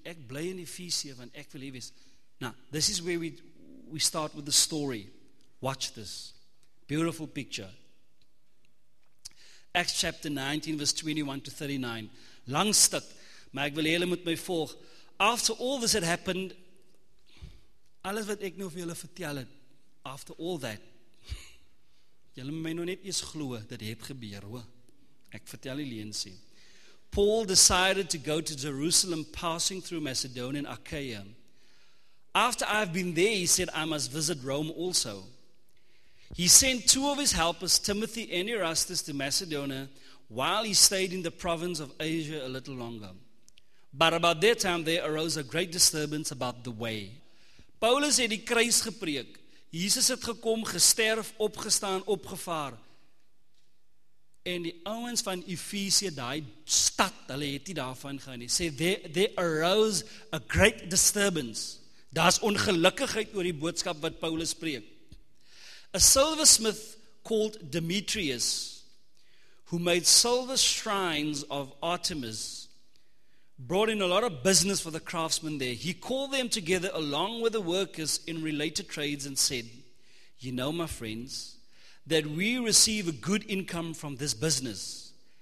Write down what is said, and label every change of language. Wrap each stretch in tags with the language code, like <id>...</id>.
<af>Ek bly in Efesië want ek wil hier wees.</af> <en>Now, this is where we start with the story. Watch this. Beautiful picture. Acts chapter 19, verse 21 to 39.</en> <af>Lang stuk, maar ek wil julle met my volg.</af> <en>after all this had happened,</en> <af>alles wat ek nou vir julle vertel het,</af> <en>after all that,</en> <af>julle moet my nou net eens glo, dit het gebeur, hoor. Ek vertel die leuen sê.</af> <en>Paul decided to go to Jerusalem, passing through Macedonia and Achaia. After I've been there, he said, I must visit Rome also. He sent two of his helpers, Timothy and Erastus, to Macedonia while he stayed in the province of Asia a little longer. But about that time, there arose a great disturbance about the way.</en> <af>Paulus het die kruis gepreek. Jesus het gekom, gesterf, opgestaan, opgevaar. En die ouens van Efesië, die stad, hulle het nie daarvan gaan nie.</af> <en>Sê, there arose a great disturbance.</en> <af>Daar is ongelukkigheid oor die boodskap wat Paulus preek.</af> <en>A silversmith called Demetrius, who made silver shrines of Artemis, brought in a lot of business for the craftsmen there. He called them together along with the workers in related trades and said, you know, my friends, that we receive a good income from this business.</en>